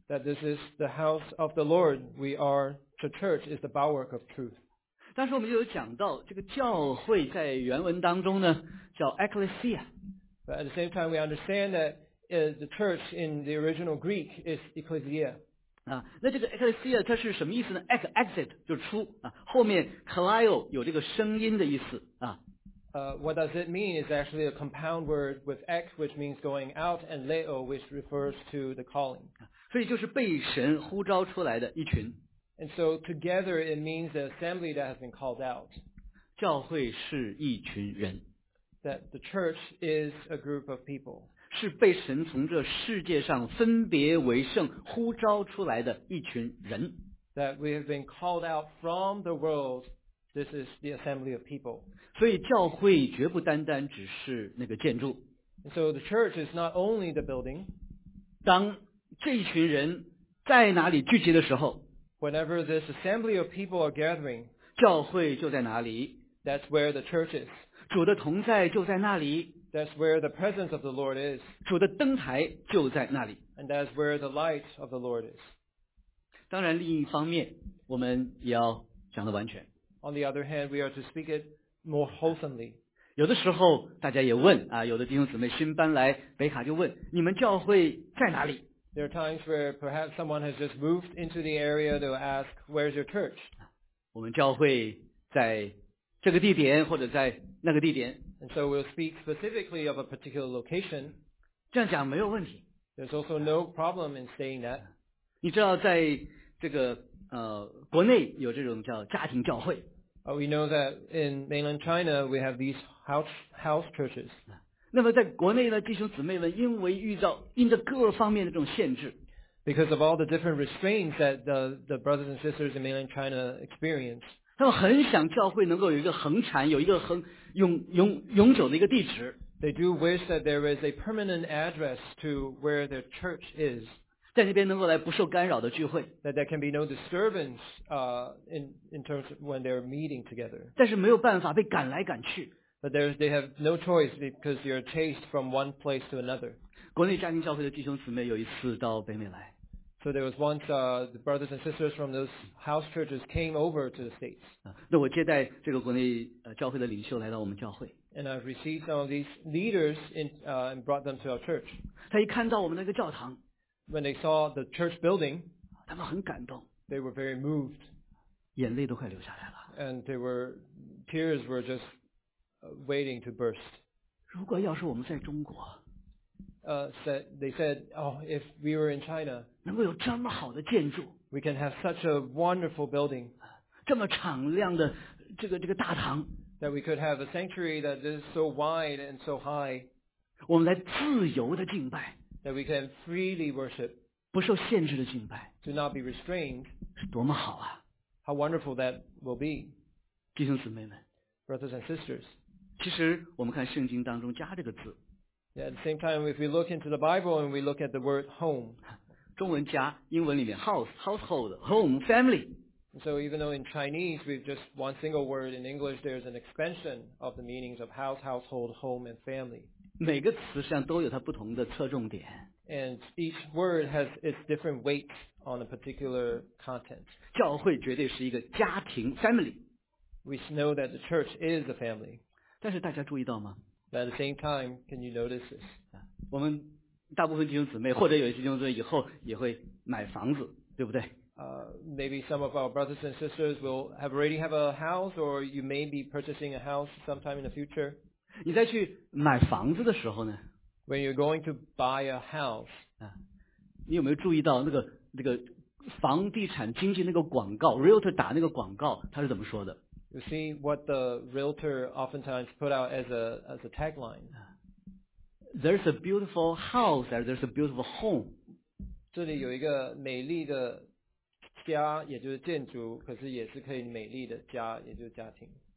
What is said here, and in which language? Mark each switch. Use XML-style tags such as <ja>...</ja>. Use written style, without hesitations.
<en>That this is the house of the Lord. We are the church. Is the bulwark of truth.</en> <zh>当时我们就有讲到这个教会在原文当中呢叫 Ecclesia</zh> <en>But at the same time we understand that the church in the original Greek is Ecclesia</en> <zh>那这个 Ecclesia 它是什么意思呢 Exit 就是出后面 Kaleo 有这个声音的意思</zh> <en>What does it mean is actually a compound word with ek which means going out and leo which refers to the calling</en> <zh>所以就是被神呼召出来的一群</zh> <en>And so together it means the assembly that has been called out.</en> <zh>教会是一群人。</zh> <en>That the church is a group of people.</en> <zh>是被神从这世界上分别为圣呼召出来的一群人。</zh> <en>That we have been called out from the world. This is the assembly of people.</en> <zh>所以教会绝不单单只是那个建筑。</zh> <en>And so the church is not only the building.</en> <zh>当这一群人在哪里聚集的时候</zh> <en>Whenever this assembly of people are gathering,</en> <zh>教会就在哪里</zh> <en>That's where the church is.</en> <zh>主的同在就在那里</zh> <en>That's where the presence of the Lord is.</en> <zh>主的灯台就在那里</zh> <en>And that's where the light of the Lord is.</en> <zh>当然另一方面我们也要讲得完全</zh> <en>On the other hand, we are to speak it more wholesomely.</en> <zh>有的时候大家也问啊，有的弟兄姊妹新搬来北卡就问，你们教会在哪里？</zh> <en>There are times where perhaps someone has just moved into the area, they'll ask, where's your church?</en> <zh>我们教会在这个地点或者在那个地点。</zh> <en>And so we'll speak specifically of a particular location.</en> <zh>这样讲没有问题。</zh> <en>There's also no problem in saying that.</en> <zh>你知道在这个国内有这种叫家庭教会。</zh> <en>We know that in mainland China, we have these house churches.</en> <zh>那么在国内呢，弟兄姊妹们因为遇到因着各方面的这种限制</zh> <en>，because of all the different restraints that the brothers and sisters in mainland China experience，</en> <zh>他们很想教会能够有一个恒产，有一个恒永久的一个地址。</zh> <en>They do wish that there is a permanent address to where their church is，</en> <zh>在那边能够来不受干扰的聚会。</zh> <en>That there can be no disturbance in terms of when they're meeting together。</en> <zh>但是没有办法被赶来赶去。</zh> <en>But they have no choice because they are chased from one place to another.</en> <zh>国内家庭教会的弟兄姊妹有一次到北美来。</zh> <en>So there was once the brothers and sisters from those house churches came over to the States.</en> <zh>那我接待这个国内教会的领袖来到我们教会。</zh> <en>And I've received some of these leaders and brought them to our church.</en> <zh>他一看到我们那个教堂。</zh> <en>When they saw the church building,</en> <zh>他们很感动。</zh> <en>They were very moved.</en> <zh>眼泪都快流下来了。</zh> <en>And tears were just waiting to burst.</en> <zh>如果要是我们在中国</zh> <en>they said, if we were in China,</en> <zh>能够有这么好的建筑</zh> <en>we can have such a wonderful building,</en> <zh>这么敞亮的这个大堂</zh> <en>that we could have a sanctuary that is so wide and so high,</en> <zh>我们来自由的敬拜</zh> <en>that we can freely worship,</en> <zh>不受限制的敬拜</zh> <en>to not be restrained,</en> <zh>是多么好啊</zh> <en>how wonderful that will be.</en> <zh>弟兄姊妹们</zh> <en>Brothers and sisters.</en> <zh>其实我们看圣经当中加这个字。</zh> <en>Yeah, at the same time, if we look into the Bible and we look at the word home.</en> <zh>中文家英文里面</zh> <en>house, household, home, family. So even though in Chinese, we've just one single word, in English, there's an expansion of the meanings of house, household, home, and family.</en> <zh>每个词实际上都有它不同的侧重点。</zh> <en>And each word has its different weight on a particular content.</en> <zh>教会绝对是一个家庭 family.</zh> <en>We know that the church is a family.</en> <zh>但是大家注意到吗</zh> <en>？At the same time, can you notice this?</en> <zh>我们大部分弟兄姊妹，或者有些弟兄姊妹以后也会买房子，对不对</zh> <en>？Maybe some of our brothers and sisters will have already have a house, or you may be purchasing a house sometime in the future.</en> <zh>你在去买房子的时候呢</zh> <en>？When you're going to buy a house,</en> <zh>你有没有注意到那个房地产经纪那个广告 ，Realtor 打那个广告，他是怎么说的？</zh> <en>You see what the realtor oftentimes put out as a tagline. There's a beautiful house, and there's a beautiful home.</en> <zh>这里有一个美丽的家，也就是建筑，可是也是可以美丽的家，也就是家庭。</zh>